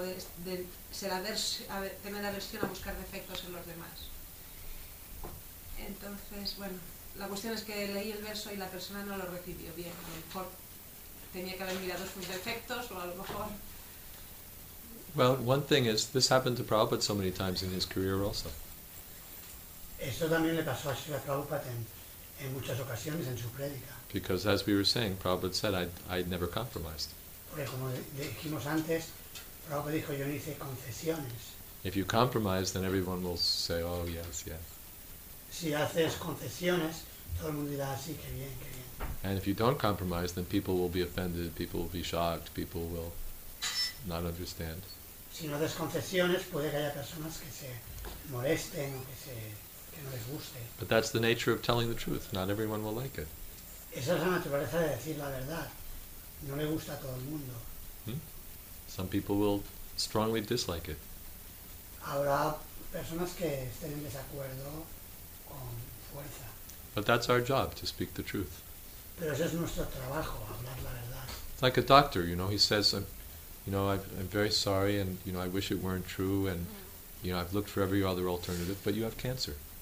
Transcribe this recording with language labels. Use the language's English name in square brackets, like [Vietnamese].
[Spanish] De ser tener aversión a buscar defectos en los demás. Entonces, bueno, la cuestión es que leí el verso y la persona no lo recibió bien. A lo mejor tenía que haber mirado sus defectos, o a lo mejor... [English] Well, one thing is, this happened to Prabhupada so many times in his career also. [Spanish] Esto también le pasó a Srila Prabhupada en muchas ocasiones en su prédica. [English] Because as we were saying, Prabhupada said, I never compromised. [Spanish] Porque como dijimos antes, Prabhupada dijo, yo no hice concesiones. [English] If you compromise, then everyone will say, oh, yes, yes. [Spanish] Si haces concesiones, todo el mundo dirá, sí, qué bien, qué bien. [English] And if you don't compromise, then people will be offended, people will be shocked, people will not understand. [Spanish] Si no haces concesiones, puede que haya personas que se molesten o que no les guste. [English] But that's the nature of telling the truth. Not everyone will like it. [Spanish] Esa es la naturaleza de decir la verdad. No le gusta a todo el mundo. [English] Some people will strongly dislike it. [Spanish] Habrá personas que estén en desacuerdo con fuerza. [English] But that's our job, to speak the truth. [Spanish] Pero ese es nuestro trabajo, hablar la verdad. [English] It's like a doctor, you know, he says, I'm very sorry, and you know, I wish it weren't true, and you know, I've looked for every other alternative, but you have cancer.